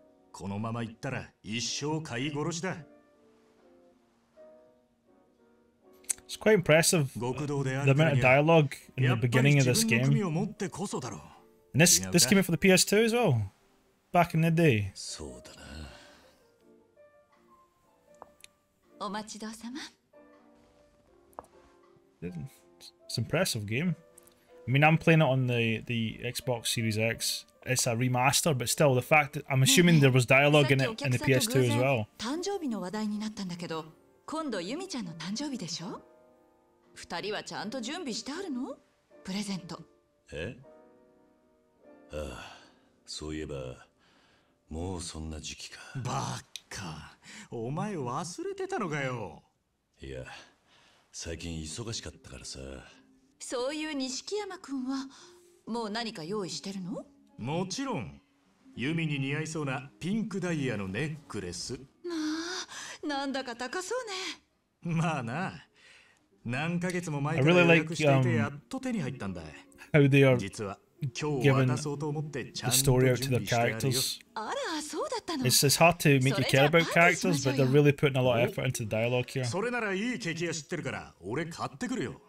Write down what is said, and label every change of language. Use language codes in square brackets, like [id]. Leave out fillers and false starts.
[ja] このまま行ったら一生飼い殺しだ。 [en] It's quite impressive. [ja] 極道であるためには、やっぱり自分の組を持ってこそだろう。 [en] This came out for the PS2 as well. Back in the day. [ja] そうだな。お待ちどうさま。 [en] It's impressive game. I mean, I'm playing it on the Xbox Series X. It's a remaster, but still, the fact that I'm assuming there was dialogue in it in the PS2 as well. [ja] 誕生日の話題になったんだけど、今度ユミちゃんの誕生日でしょ？二人はちゃんと準備してあるの？プレゼント。え？ああ、そういえば、もうそんな時期か。バッカ、お前忘れてたのかよ。いや、最近忙しかったからさ。そういう錦山君は、もう何か用意してるの？もちろん、ユミに似合いそうなピンクダイヤのネックレス。まあ、なんだか高そうね。まあな、何ヶ月も前から予約していてやっと手に入ったんだ。実は今日渡そうと思ってちゃんと準備してあるよ。あら、そうだったの。 [en] It's hard to make you care about characters, but they're really putting a lot of effort into the dialogue here. [ja] それならいいケーキ屋知ってるから、俺買ってくるよ。